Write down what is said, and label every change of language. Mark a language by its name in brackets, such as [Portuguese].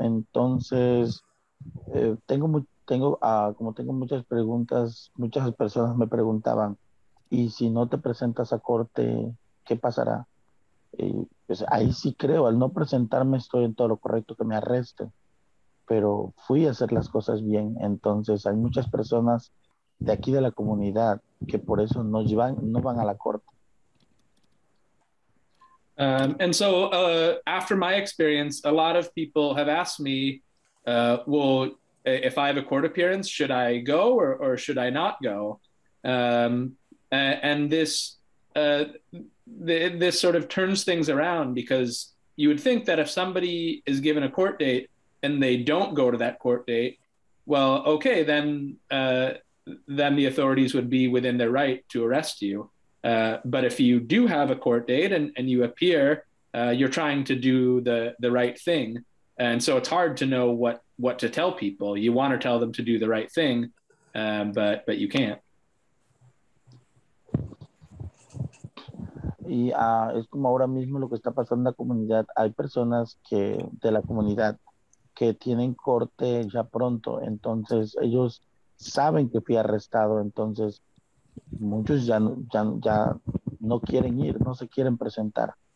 [Spanish] Entonces, tengo muchas preguntas, muchas personas me preguntaban, y si no te presentas a corte, ¿qué pasará? Pues ahí sí creo, al no presentarme estoy en todo lo correcto que me arreste, pero fui a hacer las cosas bien. Entonces, hay muchas personas de aquí de la comunidad que por eso no van a la corte. [English] And so, after my experience, a lot of people have asked me, well, if I have a court appearance, should I go or should I not go? And this sort of turns things around, because you would think that if somebody is given a court date and they don't go to that court date, well, okay, then the authorities would be within their right to arrest you. But if you do have a court date and you appear, you're trying to do the right thing. And so it's hard to know what to tell people. You want to tell them to do the right thing, but you can't. [Spanish] Y es como ahora mismo lo que está pasando en la comunidad. Hay personas que de la comunidad que tienen corte ya pronto. Entonces ellos saben que fui arrestado. Entonces muchos ya no quieren ir, no se quieren presentar.